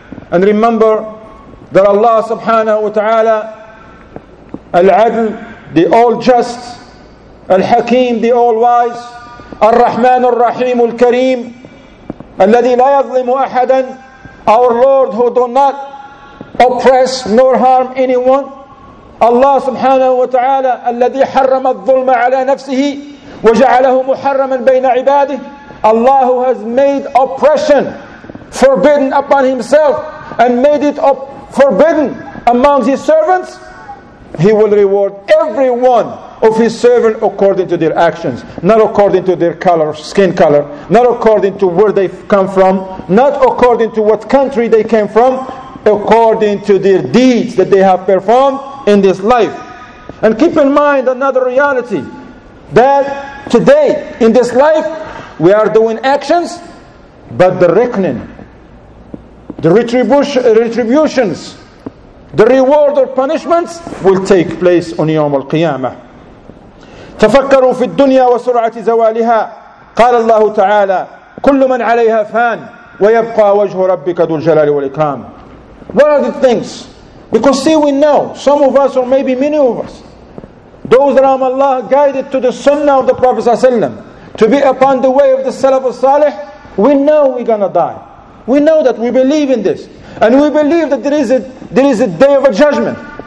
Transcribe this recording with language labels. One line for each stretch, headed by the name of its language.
English: And remember that Allah subhanahu wa ta'ala, Al-Adl, the All-Just, Al-Hakim, the All-Wise, Al-Rahman, Al-Rahim, Al-Kareem,
Arabic: الَّذِي لَا يَظْلِمُ أَحَدًا.
English: Our Lord who do not oppress nor harm anyone.
Arabic: Allah subhanahu wa ta'ala, الَّذِي حَرَّمَ الظُّلْمَ عَلَى نَفْسِهِ وَجَعَلَهُ مُحَرَّمًا بَيْنَ عِبَادِهِ.
English: Allah who has made oppression forbidden upon himself and made it forbidden among his servants, he will reward everyone of his servant according to their actions, not according to their color, skin color, not according to where they come from, not according to what country they came from, according to their deeds that they have performed in this life. And keep in mind another reality, that today in this life we are doing actions, but the reckoning, the retributions, the reward or punishments will take place on Yawm al-Qiyamah.
Arabic: تفكروا في الدنيا وسرعة زوالها. قال الله تعالى: كل من عليها فان ويبقى وجه ربك ذو الجلال والإكرام.
English: What are the things? Because see, we know some of us, or maybe many of us, those that are Allah guided to the sunnah of the Prophet ﷺ, to be upon the way of the Salaf al-Salih, we know we're gonna die. We know that, we believe in this. And we believe that there is a day of a judgment.